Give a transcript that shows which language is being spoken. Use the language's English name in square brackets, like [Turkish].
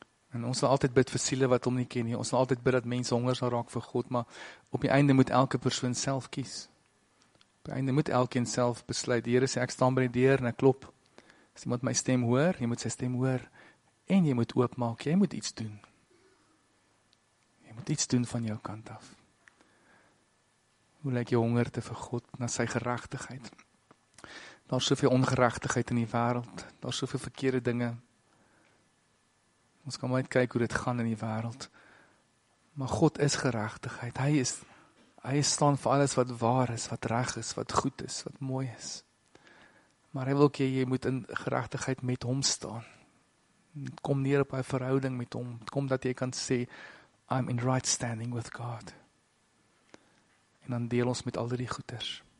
[Afrikaans] En ons sal altyd bid vir siele wat hom nie ken nie. Ons sal altyd bid dat mense honger sal raak vir God, maar op die einde moet elke persoon self kies. Op die einde moet elkeen self besluit. Die Here sê, ek staan by die deur en ek klop. As iemand my stem hoor, jy moet sy stem hoor. En jy moet oopmaak, jy moet iets doen. Jy moet iets doen van jou kant af. Hoe lyk jou hongerte vir God, na sy geregtigheid? Daar is soveel ongeregtigheid in die wêreld, daar is soveel verkeerde dinge. Ons kan net kyk hoe dit gaan in die wêreld. Maar God is geregtigheid. Hy staan vir alles wat waar is, wat reg is, wat goed is, wat mooi is. Maar hy wil jy moet in geregtigheid met hom staan. Het kom neer op hy verhouding met hom. Het kom dat jy kan sê, [English] I'm in right standing with God. [Afrikaans] En dan deel ons met al die goeders.